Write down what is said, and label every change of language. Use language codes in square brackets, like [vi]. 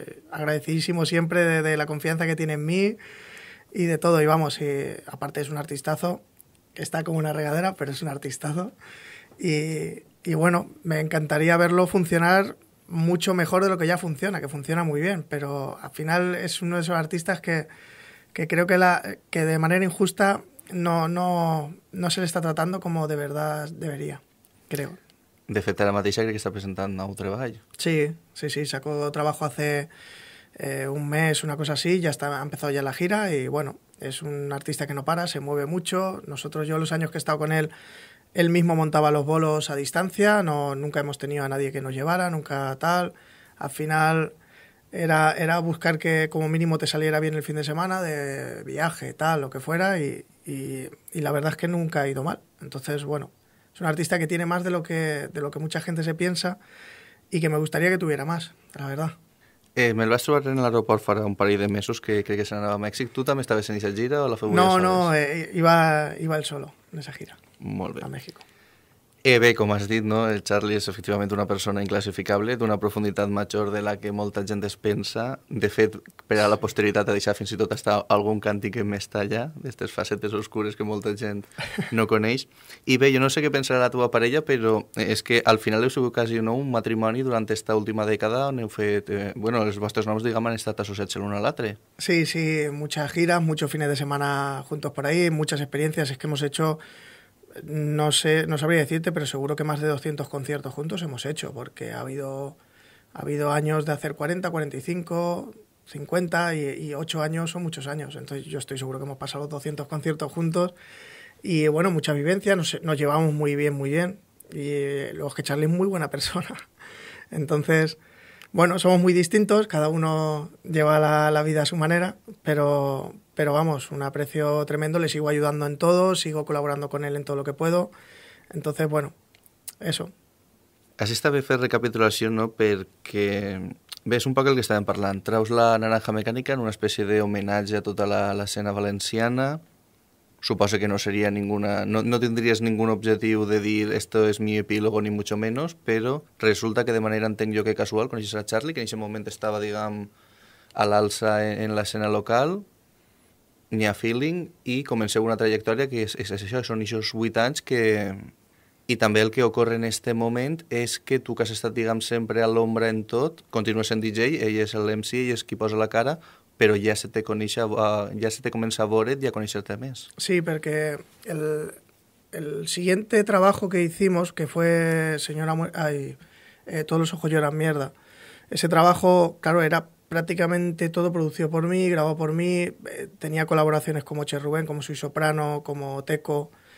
[es] agradecidísimo siempre de la confianza que tiene en mí y de todo, y vamos, y aparte es un artistazo, está como una regadera, pero es un artistazo, y bueno, me encantaría verlo funcionar mucho mejor de lo que ya funciona, que funciona muy bien, pero al final es uno de esos artistas que creo que de manera injusta no se le está tratando como de verdad debería, creo. [ca] De fet, ara mateixa crec que està presentant un nou treball. [es] Sí, sí, sí, sacó trabajo hace un mes, una cosa así, ya está, ha empezado ya la gira y bueno, es un artista que no para, se mueve mucho. Nosotros, yo los años que he estado con él, él mismo montaba los bolos a distancia, no, nunca hemos tenido a nadie que nos llevara, nunca tal. Al final era buscar que como mínimo te saliera bien el fin de semana, de viaje, tal, lo que fuera, y la verdad es que nunca ha ido mal. Entonces, bueno, es un artista que tiene más de lo que mucha gente se piensa y que me gustaría que tuviera más, la verdad. [ca] Me el vas trobar en l'aeroport fa un parell de mesos que crec que se n'anava a Mèxic. Tu també estaves en esa gira o la feu? [es] No, iba el solo en esa gira. [ca] Molt bé. A Mèxic. Bé, com has dit, no? El Charlie és efectivament una persona inclassificable, d'una profunditat major de la que molta gent es pensa. De fet, per a la posteritat a deixar fins i tot estar algun càntic més tallà, d'aquestes facetes oscures que molta gent no coneix. I bé, jo no sé què pensarà la teva parella, però és que al final heu sigut quasi no, un matrimoni durant aquesta última dècada on heu fet... bueno, els vostres noms, diguem, han estat associats l'un a l'altre. [es] Sí, sí, muchas giras, muchos fines de semana juntos por ahí, muchas experiencias, es que hemos hecho... No sé, no sabría decirte, pero seguro que más de 200 conciertos juntos hemos hecho, porque ha habido años de hacer 40, 45, 50 y 8 años son muchos años. Entonces yo estoy seguro que hemos pasado los 200 conciertos juntos. Y bueno, mucha vivencia, nos llevamos muy bien, muy bien. Y luego es que Charlie es muy buena persona. Entonces, bueno, somos muy distintos, cada uno lleva la vida a su manera, pero vamos, un aprecio tremendo, le sigo ayudando en todo, sigo colaborando con él en todo lo que puedo. Entonces, bueno, eso. [ca] Así está bé fer recapitulació, no? Perquè bé, és un poc el que estàvem parlant. Traus la Naranja Mecànica en una espècie d'homenatge a tota l'escena valenciana. Suposo que no seria ninguna... No tindries ningun objectiu de dir [es] esto es mi epílogo, ni mucho menos, [ca] però resulta que de manera, entenc jo, que casual, coneixes a Charlie, que en aquest moment estava, diguem, a l'alça en l'escena local, n'hi ha feeling, i comenceu una trajectòria que és això, són aquests 8 anys que... I també el que ocorre en aquest moment és que tu, que has estat, diguem, sempre a l'ombra en tot, continues sent DJ, ell és l'MC, ell és qui posa la cara, però ja se te coneixa, ja se te comença a veure't i a conèixer-te més. [es] Sí, perquè el siguiente trabajo que hicimos, que fue Señora... Todos los ojos lloran mierda. Ese trabajo, claro, era prácticamente todo producido por mí, grabado por mí. Tenía colaboraciones como Che Rubén, como Soy Soprano, como Teco.